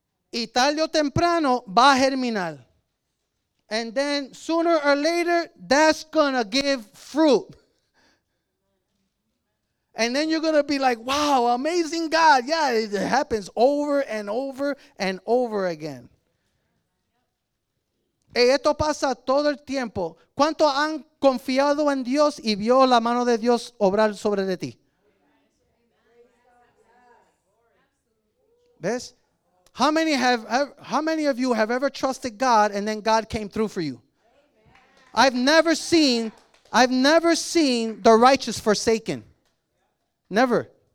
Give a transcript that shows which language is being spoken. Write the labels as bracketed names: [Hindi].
[Spanish] Y tarde o temprano va a germinar. [English] And then sooner or later, that's going to give fruit. And then you're going to be like, wow, amazing God. Yeah, it happens over and over and over again. [Spanish] Hey, esto pasa todo el tiempo. ¿Cuánto han confiado en Dios y vio la mano de Dios obrar sobre de ti? ¿Ves? [English] How many of you have ever trusted God and then God came through for you? I've never seen the righteous forsaken. Never.